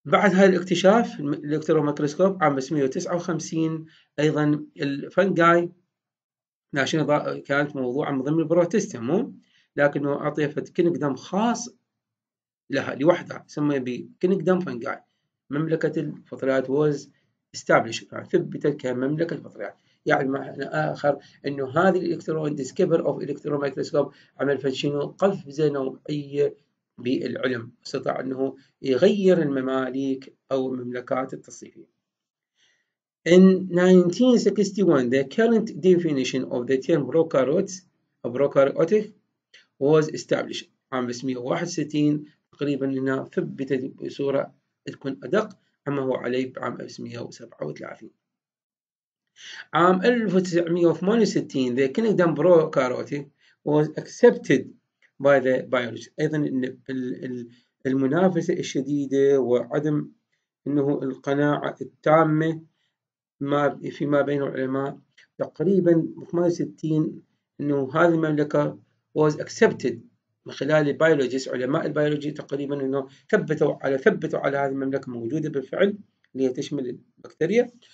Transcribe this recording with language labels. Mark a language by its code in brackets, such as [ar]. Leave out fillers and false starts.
[ar] بعد هذا الاكتشاف الالكترون ميكروسكوب عام 1959 ايضا الفنجاي ناشن كانت موضوعا من ضمن البروتيستا، مو لكنه اعطي فد كينغدام خاص لها لوحدها سمي بكينغدام فنجاي، مملكه الفطريات [en] was establish, [ar] ثبتت كمملكه الفطريات. يعني معنى اخر انه هذه الالكترون ديسكفر اوف الكترون مايكروسكوب عمل فشنو قفزه نوعيه بالعلم، استطاع انه يغير المماليك او المملكات التصنيفيه. [en] In 1961 the current definition of the term prokaryotes or prokaryotic was established. [ar] عام 1961 تقريبا هنا ثبتت بصوره تكون ادق عما هو عليه بعام 1937. عام 1968 [en] the kingdom prokaryote was accepted by the biologists. [ar] ايضا المنافسه الشديده وعدم انه القناعه التامه ما فيما بين العلماء تقريبا 68 انه هذه المملكه [en] was accepted [ar] من خلال البيولوجيست، علماء البيولوجي تقريبا انه ثبتوا على هذه المملكه موجوده بالفعل اللي تشمل البكتيريا.